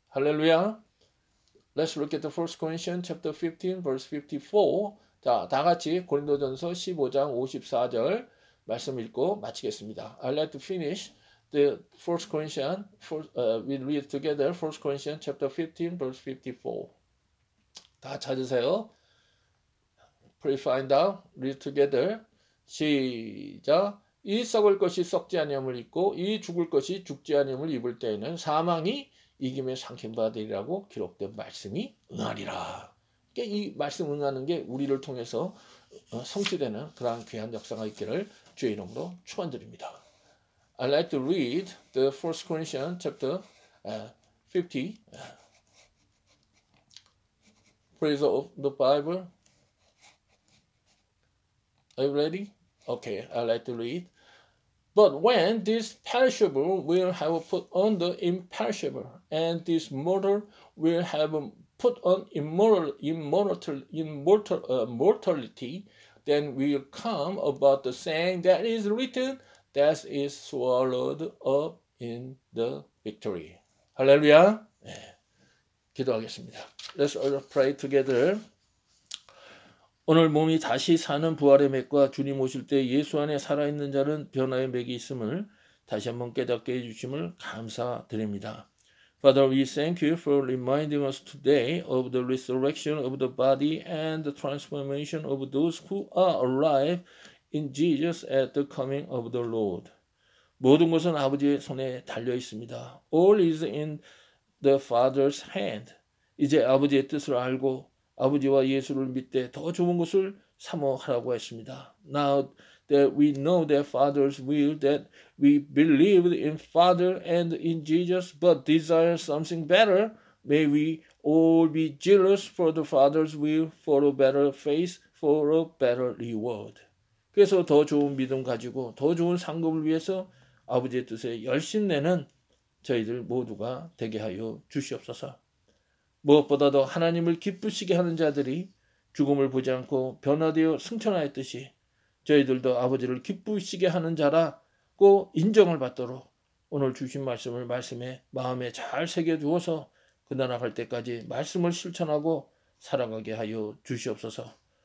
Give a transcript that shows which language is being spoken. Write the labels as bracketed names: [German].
[English] Hallelujah. Let's look at the First Corinthians chapter 15, verse 54. [Korean] 자, 다 같이 고린도전서 15장 54절 말씀 읽고 마치겠습니다. [English] I'd like to finish the First Corinthians. We'll read together First Corinthians chapter 15, verse 54. [Korean] 다 찾으세요. [English] Please find out, read together. [Korean] 시작. 이 썩을 것이 썩지 아니함을 입고 이 죽을 것이 죽지 아니함을 입을 때에는 사망이 이김에 상킨받으리라고 기록된 말씀이 응하리라. 이 말씀 응하는 게 우리를 통해서 성취되는 그러한 귀한 역사가 있기를 주의 이름으로 축원드립니다. [English] I'd like to read the First Corinthians chapter 50. Praise of the Bible. Are you ready? Okay, I'd like to read. But when this perishable will have put on the imperishable, and this mortal will have put on immortality, then will come about the saying that is written, death is swallowed up in the victory. [Korean] Hallelujah. 네. 기도하겠습니다. [English] Let's all pray together. [Korean] 오늘 몸이 다시 사는 부활의 맥과 주님 오실 때 예수 안에 살아있는 자는 변화의 맥이 있음을 다시 한번 깨닫게 해주심을 감사드립니다. [English] Father, we thank you for reminding us today of the resurrection of the body and the transformation of those who are alive in Jesus at the coming of the Lord. [Korean] 모든 것은 아버지의 손에 달려 있습니다. [English] All is in the Father's hand. [Korean] 이제 아버지의 뜻을 알고 아버지와 예수를 믿되 더 좋은 것을 사모하라고 했습니다. [English] Now that we know the Father's will, that we believe in Father and in Jesus, but desire something better, may we all be jealous for the Father's will, for a better face, for a better reward. [Korean] 그래서 더 좋은 믿음 가지고 더 좋은 상급을 위해서 아버지의 뜻에 열심내는 저희들 모두가 되게 하여 주시옵소서. 무엇보다도 하나님을 기쁘시게 하는 자들이 죽음을 보지 않고 변화되어 승천하였듯이 저희들도 아버지를 기쁘시게 하는 자라고 인정을 받도록 오늘 주신 말씀을 말씀에 마음에 잘 새겨두어서 그 나라 갈 때까지 말씀을 실천하고 살아가게 하여 주시옵소서.